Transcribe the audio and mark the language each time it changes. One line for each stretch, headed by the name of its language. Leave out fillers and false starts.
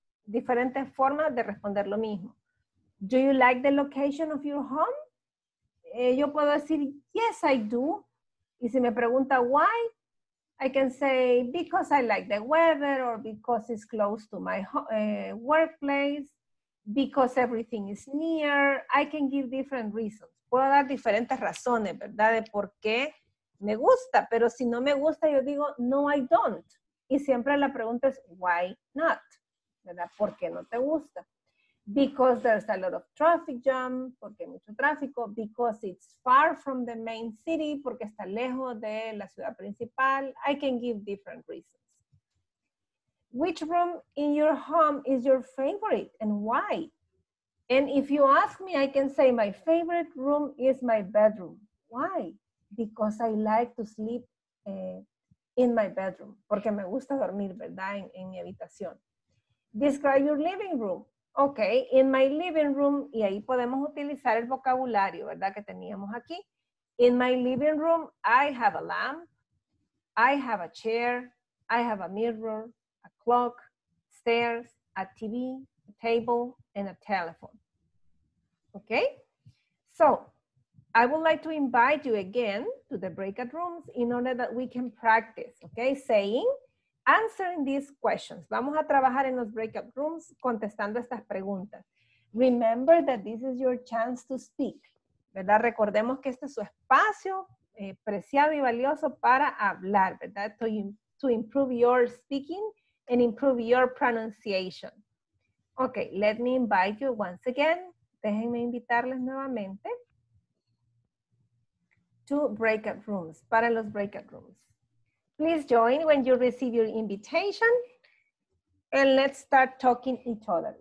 Spanish: Diferentes formas de responder lo mismo.
English: Do you like the location of your home?
Spanish: Yo puedo decir,
English: yes, I do.
Spanish: Y si me pregunta
English: why, I can say, because I like the weather, or because it's close to my workplace, because everything is near. I can give different reasons.
Spanish: Puedo dar diferentes razones, ¿verdad? De por qué me gusta. Pero si no me gusta, yo digo,
English: no, I don't.
Spanish: Y siempre la pregunta es,
English: why not?
Spanish: ¿Verdad? ¿Por qué no te gusta?
English: Because there's a lot of traffic jam,
Spanish: porque hay mucho tráfico.
English: Because it's far from the main city,
Spanish: porque está lejos de la ciudad principal.
English: I can give different reasons. Which room in your home is your favorite and why? And if you ask me, I can say my favorite room is my bedroom. Why? Because I like to sleep in my bedroom.
Spanish: Porque me gusta dormir, ¿verdad? En mi habitación.
English: Describe your living room. Ok, in my living room,
Spanish: y ahí podemos utilizar el vocabulario, ¿verdad? Que teníamos aquí.
English: In my living room, I have a lamp, I have a chair, I have a mirror, a clock, stairs, a TV, a table, and a telephone. Ok, so I would like to invite you again to the breakout rooms in order that we can practice, ok, saying, answering these questions.
Spanish: Vamos a trabajar en los breakout rooms contestando estas preguntas.
English: Remember that this is your chance to speak.
Spanish: ¿Verdad? Recordemos que este es su espacio preciado y valioso para hablar, ¿verdad?
English: To improve your speaking and improve your pronunciation. Okay, let me invite you once again.
Spanish: Déjenme invitarles nuevamente.
English: To breakout rooms,
Spanish: para los breakout rooms.
English: Please join when you receive your invitation and let's start talking each other.